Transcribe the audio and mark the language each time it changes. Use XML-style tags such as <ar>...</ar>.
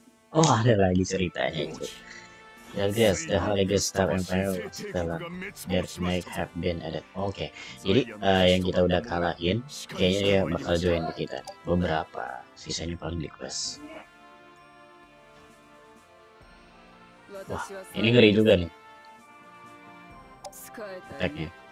<id>Oh, ada lagi ceritanya itu.</id> <en>Ya guys, the Holy Gustav Emperor setelah Death Knight have been added.</en> <id>Oke, okay. Jadi yang kita udah kalahin, kayaknya ya bakal join ke kita. Beberapa, sisanya paling di quest. Wah, ini ngeri juga nih. Attack-nya.</id>